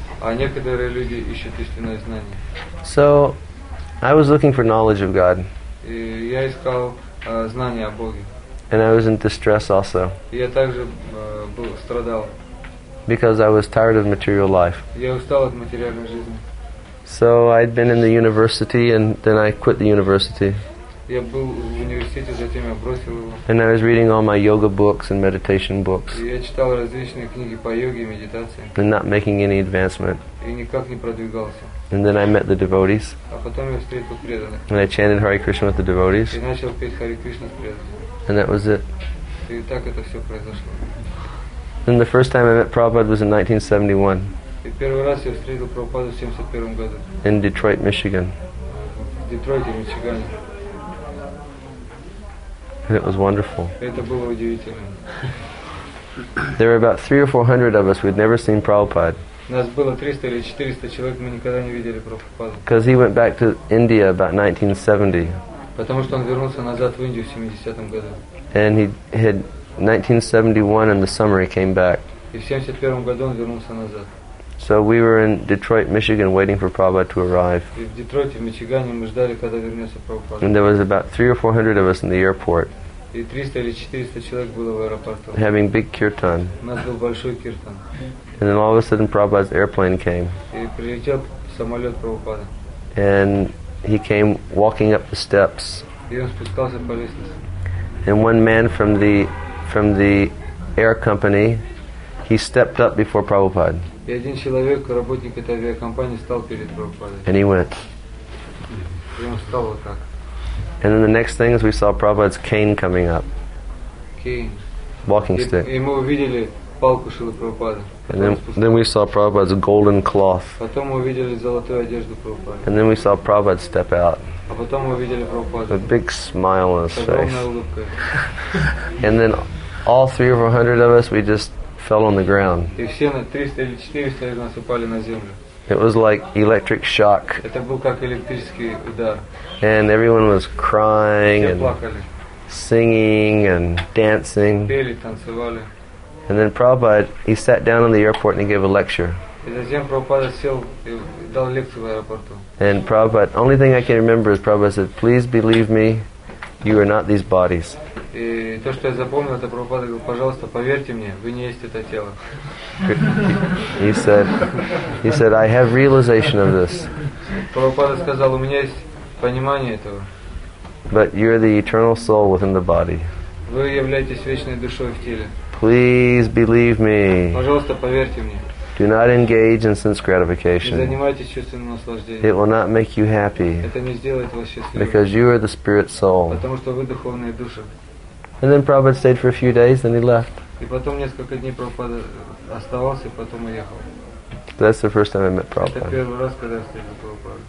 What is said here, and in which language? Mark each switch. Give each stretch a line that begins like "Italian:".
Russian: А некоторые люди ищут истинное знание.
English: So I was looking for knowledge of God.
Russian: И я искал знания о Боге.
English: And I was in distress also.
Russian: Я также страдал.
English: Because I was tired of material life.
Russian: Я устал от материальной жизни.
English: So I'd been in the university and then I quit the university.
Russian: Я был в университете, затем я бросил его.
English: And I was reading all my yoga books and meditation books.
Russian: И я читал различные книги по йоге и медитации.
English: And not making any advancement.
Russian: И никак не продвигался.
English: And then I met the devotees.
Russian: А потом я встретил преданных.
English: And I chanted Hare Krishna with the devotees.
Russian: И начал петь Hare Krishna с преданными.
English: And that was it.
Russian: И так это все произошло.
English: Then the first time I met Prabhupada was in 1971.
Russian: И первый раз я встретил Прабхупаду в 71 году.
English: In Detroit, Michigan.
Russian: В Детройте, Мичигане.
English: And it was wonderful.
Russian: Это было удивительно.
English: There were about 300 or 400 of us. We'd never seen Prabhupada.
Russian: Нас было 300 или 400 человек, мы никогда не видели Прабхупаду.
English: Because he went back to India about 1970.
Russian: Потому что он вернулся назад в Индию в 70-м году.
English: And he had 1971 in the summer he came back.
Russian: И в 71-м году он вернулся назад.
English: So we were in Detroit, Michigan, waiting for Prabhupada to arrive.
Russian: И в Детройте, в Мичигане, мы ждали, когда вернется Прабхупада.
English: And there was about 300 or 400 of us in the airport.
Russian: И 300 или 400 человек было в аэропорту.
English: Having big kirtan.
Russian: У нас был большой киртан.
English: And then all of a sudden, Prabhupada's airplane came.
Russian: И прилетел самолет Прабхупады.
English: And he came walking up the steps.
Russian: И он спускался по лестнице.
English: And one man from the air company, he stepped up before Prabhupada.
Russian: И один человек, работник этой авиакомпании, стал перед Прабхупадой.
English: And he went.
Russian: И он встал вот так.
English: And then the next thing is we saw Prabhupada's cane coming up. Cane. Walking stick.
Russian: И мы увидели палку Шрилы Прабхупады.
English: And then we saw Prabhupada's golden cloth.
Russian: Потом мы увидели золотую одежду Прабхупады.
English: And then we saw Prabhupada step out.
Russian: А потом мы увидели Прабхупаду.
English: A big smile on his face.
Russian: С огромной улыбкой.
English: And then all 300 or 400 of us, we just fell on the ground.
Russian: И все 300 или 400 из нас упали на землю.
English: It was like electric shock.
Russian: Это был как электрический удар.
English: And everyone was crying and
Russian: плакали.
English: Singing and dancing.
Russian: Пели, танцевали.
English: And then Prabhupada, he sat down on the airport and he gave a lecture.
Russian: И затем Прабхупада сел и дал лекцию в аэропорту.
English: And Prabhupada, only thing I can remember is Prabhupada said, "Please believe me, you are not these bodies."
Russian: И то, что я запомнил, это Прабхупада говорил, пожалуйста, поверьте мне, вы не есть это тело.
English: He said, I have realization of this.
Russian: Прабхупада сказал, у меня есть понимание этого.
English: But you're the eternal soul within the body.
Russian: Вы являетесь вечной душой в теле.
English: Please believe me.
Russian: Пожалуйста, поверьте мне.
English: Do not engage in sense gratification.
Russian: Не занимайтесь чувственным наслаждением.
English: It will not make you happy.
Russian: Это не сделает вас счастливым.
English: Because you are the spirit soul.
Russian: Потому что вы духовная душа.
English: And then Prabhupada stayed for a few days, then he left.
Russian: И потом несколько дней Прабхупада оставался, и потом уехал.
English: That's the first time I met Prabhupada.
Russian: Это первый раз, когда я встретил Прабхупада.